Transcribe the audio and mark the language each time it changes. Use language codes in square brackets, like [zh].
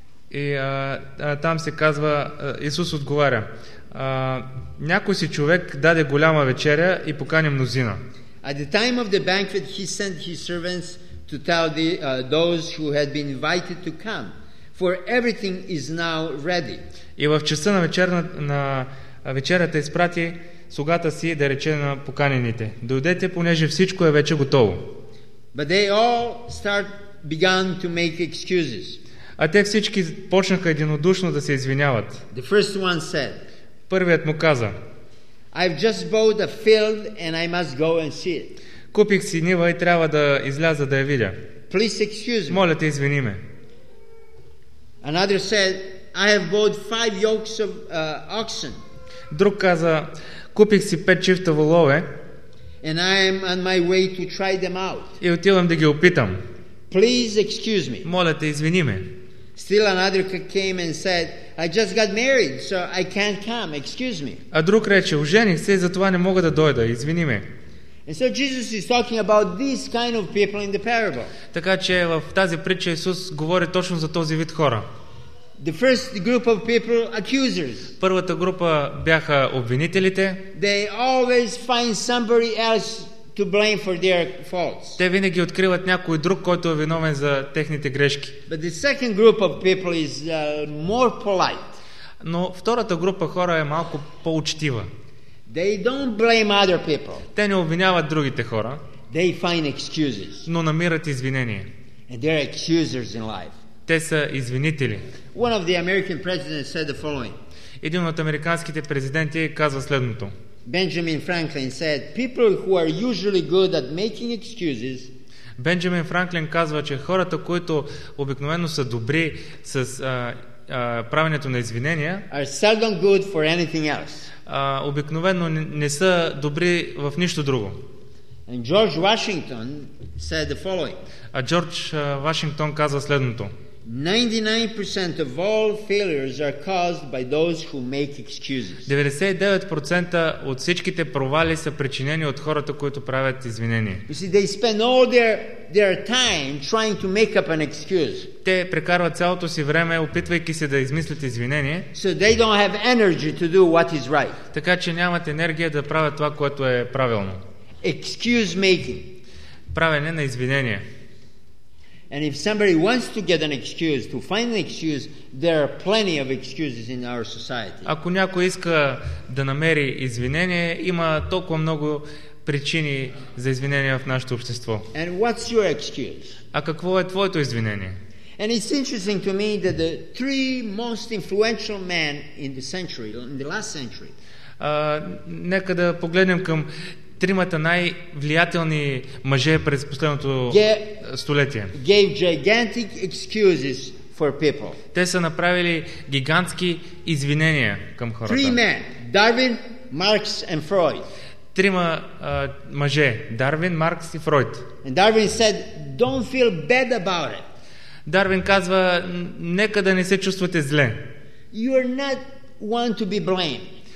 [bg] И там се казва Исус отговаря: някой си човек даде голяма вечеря и покани мнозина. [en] At the time of the banquet he sent his servants to tell those who had been invited to come, for everything is now ready. [bg] И в часа на вечерята изпрати слугата си да рече на поканените: дойдете, понеже всичко е вече готово. [en] But they all began to make excuses. [bg] А те всички почнаха единодушно да се извиняват. [en] The first one said, [bg] първият му каза: [en] I've just bought a field and I must go and see it. [bg] Купих си нива и трябва да изляза да я видя. [en] Please excuse me. [bg] Моля те, извини ме. [en] Another said, I have bought 5 yokes of oxen. [bg] Друг каза: купих си 5 чифта волове. [en] And I am on my way to try them out. [bg] И отивам да ги опитам. [en] Please excuse me. [bg] Моля те, извини ме. [en] Still another came and said, I just got married, so I can't come. Excuse me. [bg] А друг рече: ожених се, затова не мога да дойда. Извини ме. [en] And so Jesus is talking about this kind of people in the parable. [bg] Така че в тази притча Исус говори точно за този вид хора. [en] The first group of people, accusers. [bg] Първата група бяха обвинителите. [en] They always find somebody else to blame for their faults. [bg] Те винаги откриват някой друг, който е виновен за техните грешки. [en] But the second group of people is more polite. [bg] Но втората група хора е малко по-учтива. [en] They don't blame other people. [bg] Те не обвиняват другите хора. [en] They find excuses. [bg] Но намират извинения. [en] And they're accusers in life. [bg] Те са извинители. [en] One of the American presidents said the following. [bg] Един от американските президенти казва следното. [en] Benjamin Franklin said, people who are usually good at making excuses. [bg] Бенджамин Франклин казва, че хората, които обикновено са добри с правенето на извинения, [en] are seldom good for anything else. [bg] Обикновено не са добри в нищо друго. [en] And George Washington said the following. [bg] А Джордж Вашингтон казва следното. [en] 99% of all failures are caused by those who make excuses. [bg] 99% от всичките провали са причинени от хората, които правят извинения. [en] You see, they spend all their time trying to make up an excuse. [bg] Те прекарват цялото си време, опитвайки се да измислят извинение. [en] So they don't have energy to do what is right. [bg] Така че нямат енергия да правят това, което е правилно. [en] Excuse making. [bg] Правене на извинения. [en] And if somebody wants to get an excuse, to find an excuse, there are plenty of excuses in our society. [bg] Ако някой иска да намери извинение, има толкова много причини за извинение в нашето общество. [en] And what's your excuse? [bg] А какво е твоето извинение? [en] And it's interesting to me that the three most influential men in the century, in the last century. [bg] Нека да погледнем към тримата най-влиятелни мъже през последното столетие. [en] Gave gigantic excuses for people. [bg] Те са направили гигантски извинения към хората. [en] Three men: Darwin, Marx and Freud. [bg] трима мъже, Дарвин, Маркс и Фройд. [en] And Darwin said, "Don't feel bad about it." [bg] Дарвин казва, нека да не се чувствате зле. [en] You are not one to be blamed.